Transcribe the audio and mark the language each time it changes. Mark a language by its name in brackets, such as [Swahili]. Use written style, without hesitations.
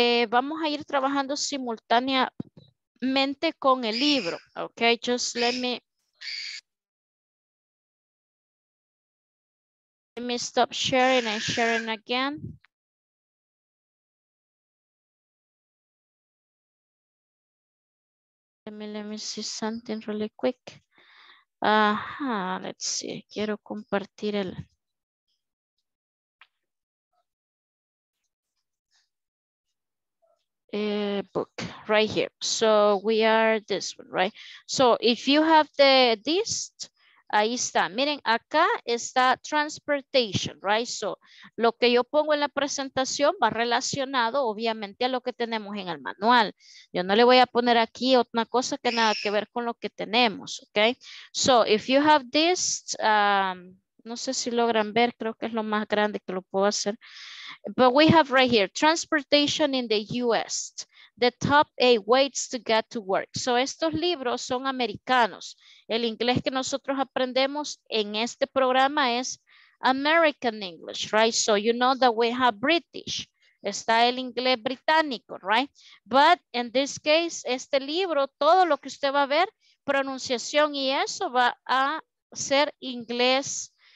[Spanish] Vamos a ir trabajando simultáneamente con el libro, okay. [English] Just let me stop sharing and sharing again. Let me see something really quick. Let's see. [Spanish] Quiero compartir el. [English] Book right here. So we are this one, right? So if you have the list, [Spanish] ahí está. Miren, acá está transportation, right? So lo que yo pongo en la presentación va relacionado, obviamente, a lo que tenemos en el manual. Yo no le voy a poner aquí otra cosa que nada que ver con lo que tenemos, ¿ok? [English] So if you have this, [Spanish] no sé si logran ver, creo que es lo más grande que lo puedo hacer. [English] But we have right here, transportation in the U.S., the top 8 ways to get to work. [Spanish] So estos libros son americanos. El inglés que nosotros aprendemos en este programa es American English, right? [English] So you know that we have British. [Spanish] Está el inglés británico, [English] right? But in this case, [Spanish] este libro, todo lo que usted va a ver, pronunciación y eso va a ser inglés